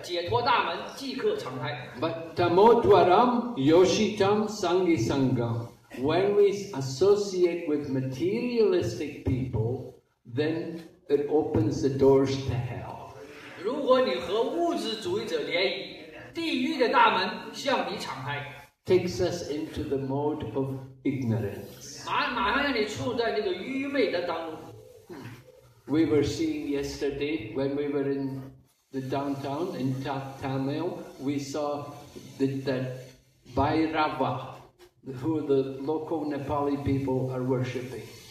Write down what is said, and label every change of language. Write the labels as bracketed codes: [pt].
[en] But [sa] tamo dwaram yoshitam sanghi sangam. [en] When we associate with materialistic people, then it opens the doors to hell. [zh] 如果你和物质主义者联谊，地狱的大门向你敞开。 [en] Takes us into the mode of ignorance. [zh] 马上让你处在那个愚昧的当中。 [en] We were seeing yesterday when we were in the downtown in Tamil, we saw that Bhairava, who the local Nepali people are worshipping.